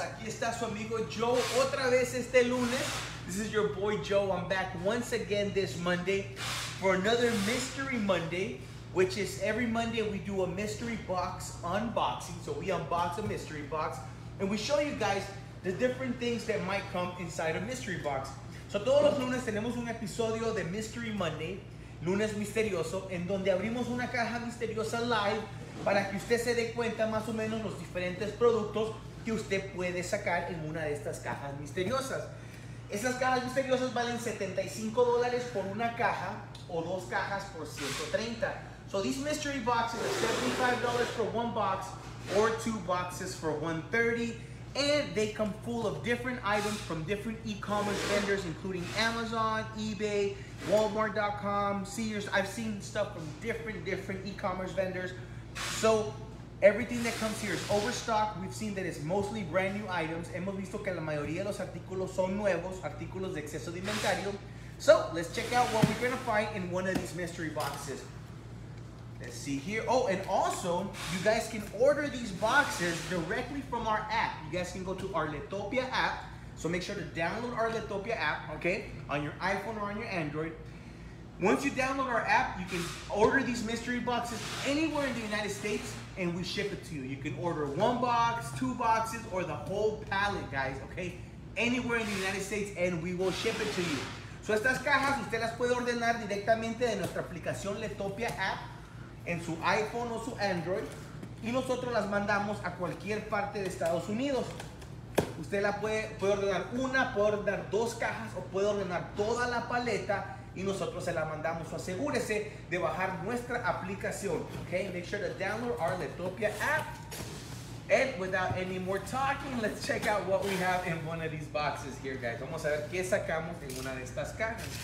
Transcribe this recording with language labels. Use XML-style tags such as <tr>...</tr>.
<es>Aquí está su amigo Joe otra vez este lunes.</es> <en>This is your boy Joe. I'm back once again this Monday for another Mystery Monday, which is every Monday we do a mystery box unboxing. So we unbox a mystery box and we show you guys the different things that might come inside a mystery box.</en> <es>So todos los lunes tenemos un episodio de Mystery Monday, Lunes Misterioso, en donde abrimos una caja misteriosa live para que usted se dé cuenta más o menos los diferentes productos que usted puede sacar en una de estas cajas misteriosas. Esas cajas misteriosas valen $75 por una caja o dos cajas por $130.</es> <en>So this mystery box is $75 for one box or two boxes for $130. And they come full of different items from different e-commerce vendors, including Amazon, eBay, Walmart.com, Sears. I've seen stuff from different e-commerce vendors. So, everything that comes here is overstocked. We've seen that it's mostly brand new items.</en> <es>Hemos visto que la mayoría de los artículos son nuevos, artículos de exceso de inventario.</es> <en>So, let's check out what we're going to find in one of these mystery boxes. Let's see here. Oh, and also, you guys can order these boxes directly from our app. You guys can go to our Letopia app. So, make sure to download our Letopia app, okay, on your iPhone or on your Android. Once you download our app, you can order these mystery boxes anywhere in the United States, and we ship it to you. You can order one box, two boxes, or the whole pallet, guys, okay? Anywhere in the United States, and we will ship it to you.</en> <es>So estas cajas, usted las puede ordenar directamente de nuestra aplicación Letopia app en su iPhone o su Android, y nosotros las mandamos a cualquier parte de Estados Unidos. Usted la puede ordenar una, puede ordenar dos cajas, o puede ordenar toda la paleta, y nosotros se la mandamos. So asegúrese de bajar nuestra aplicación.</es> <en>Okay, make sure to download our Letopia app. And without any more talking, let's check out what we have in one of these boxes here, guys.</en> <es>Vamos a ver qué sacamos en una de estas cajas.</es>